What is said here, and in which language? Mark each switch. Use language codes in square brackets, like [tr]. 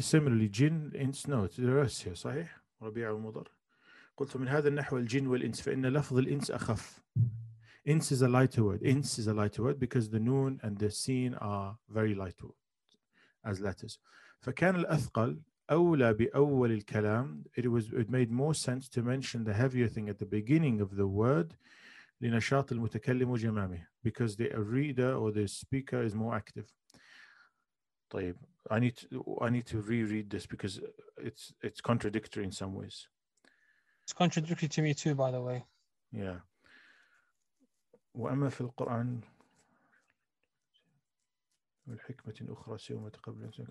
[en] Similarly, jinn and ins, no, it's the reverse here, صحيح? Rabi' and Mudar. [ar] قلت من هذا النحو الجن والإنس فإن لفظ الإنس أخف. [en] Ins is a lighter word. Ins is a lighter word because the noon and the seen are very light words as letters. [ar] فكان الأثقل أولى بأول الكلام. [en] It made more sense to mention the heavier thing at the beginning of the word [ar] لنشاط المتكلم وجمامه, [en] because the reader or the speaker is more active. طيب, I need to reread this because it's contradictory in some ways. It's contradictory to me too, by the way. Yeah. [ar] وأما في القرآن الحكمة أخرى سوى ما تقبل.